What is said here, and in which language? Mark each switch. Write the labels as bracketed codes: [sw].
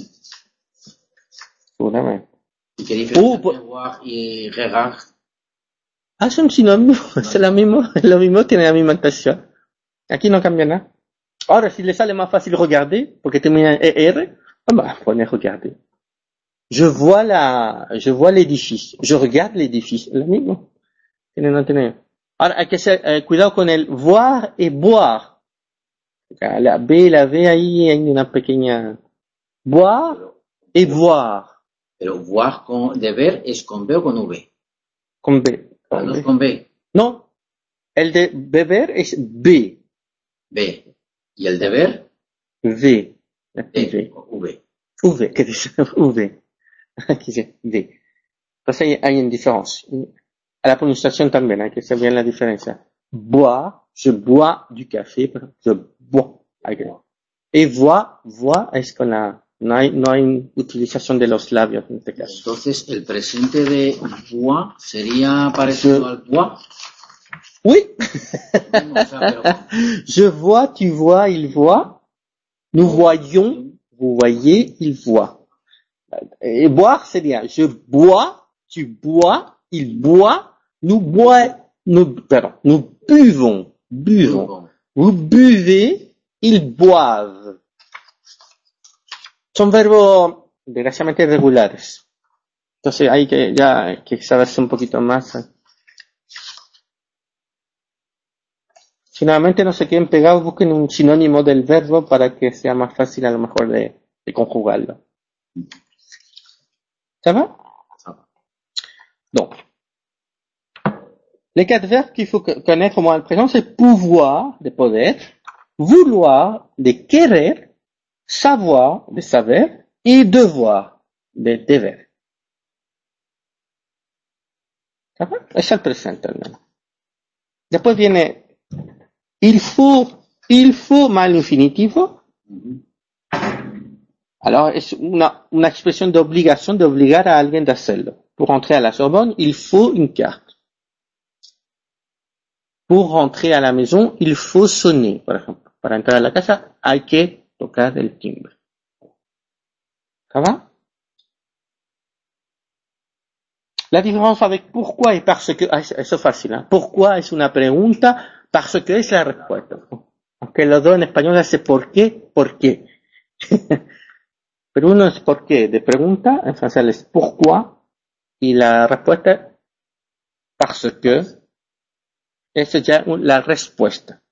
[es] Escúchame. ¿Y qué diferencia entre voir y regard? Ah, son sinónimos, es lo mismo, tiene la misma expresión. Aquí no cambia nada. Ahora, si le sale más fácil regarder, porque termina en ER, vamos a poner regarder. [fr] Je vois l'édifice, je regarde l'édifice, [es] lo mismo. Ahora, hay que ser, cuidado con el voir et boire. La B ahí hay una pequeña... [fr] Voir et boire. [es] Pero voir con, de ver es con B o con V. Con B. Con B. No, el de beber es B. B. ¿Y el de ver? V. V. V. ¿Qué dice? V. Aquí dice V. Entonces hay una diferencia. La pronunciación también, hay que saber bien la diferencia. [fr] Bois, je bois du café, je bois. [es] Okay. [fr] Et voir [es] es con la... No hay utilización de los labios en este caso. Entonces, el presente de voir sería parecido je... al voir. [fr] Oui. Je vois, tu vois, il voit. Nous voyons, vous voyez, il voit. Et boire, c'est bien. Je bois, tu bois, il boit, nous boit, nous buvons, buvons. Vous buvez, ils boivent. [es] Son verbos desgraciadamente irregulares. Entonces hay que ya que saberse un poquito más. Finalmente no se queden pegados, busquen un sinónimo del verbo para que sea más fácil a lo mejor de conjugarlo. [fr] ¿Ça va? Donc, les quatre verbes qu'il faut connaître au moins le présent, c'est pouvoir, de poder, vouloir, de querer, savoir, de saber, et devoir, de devoir. ¿Ça va? [es] Es el presente. Después viene il faut mal infinitivo. Alors, es una expresión de obligación, de obligar a alguien de hacerlo. [fr] Pour entrer à la Sorbonne, il faut une carte. Pour entrer à la maison, il faut sonner, par exemple. [es] Para entrar a la casa, hay que tocar el timbre. [fr] ¿Ça va? [es] La différence avec pourquoi et parce que, eso es fácil, ¿eh? Pourquoi es una pregunta, parce que es la respuesta. Aunque los dos en español hace por qué, por qué. Pero uno es por qué, de pregunta, en francés es pourquoi, y la respuesta es parce que, esa es ya la respuesta.